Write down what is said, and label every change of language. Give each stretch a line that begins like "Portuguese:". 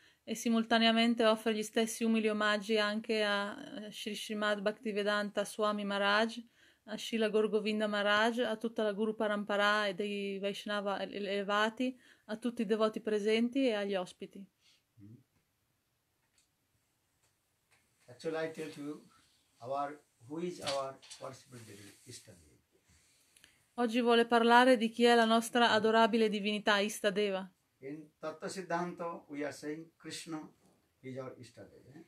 Italian: E simultaneamente offre gli stessi umili omaggi anche a Shri Srimad Bhaktivedanta Swami Maharaj, a Srila Gorgovinda Maharaj, a tutta la Guru Parampara e dei Vaishnava elevati, a tutti i devoti presenti e agli ospiti.
English: Actually, I tell you our, who is our worshipful deity, Ishtadeva.
Italian: Oggi vuole parlare di chi è la nostra adorabile divinità, Ishtadeva.
English: In Tattva Siddhanta we are saying Krishna is our Ishtadeva.